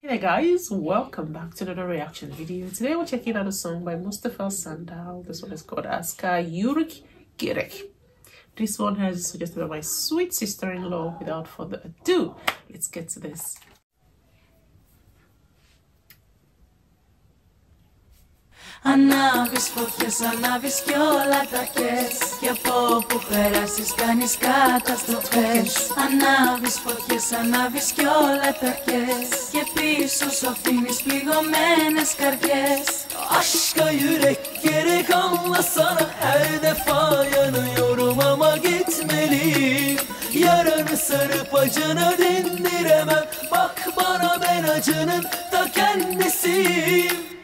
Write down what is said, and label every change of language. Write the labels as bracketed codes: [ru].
[en] Hi guys, welcome back to another reaction video. Today we're checking out a song by Mustapha Sandal. This one is called Aska Yurik Girek. This one has suggested by my sweet sister-in-law. Without further ado, let's get to this. [el] Ανάβεις φωτιές, ανάβεις κι όλα τα κες. Κι από όπου περάσεις κάνεις καταστροφές. Ανάβεις φωτιές, ανάβεις κι όλα τα κες. Και πίσω σου αφήνεις πληγωμένες καρδιές. [tr] Aşka yürek gerek anla sana her defa yanıyorum ama gitmeli. Yaranı sarıp acını dindiremem. Bak bana ben acının ta kendisiyim.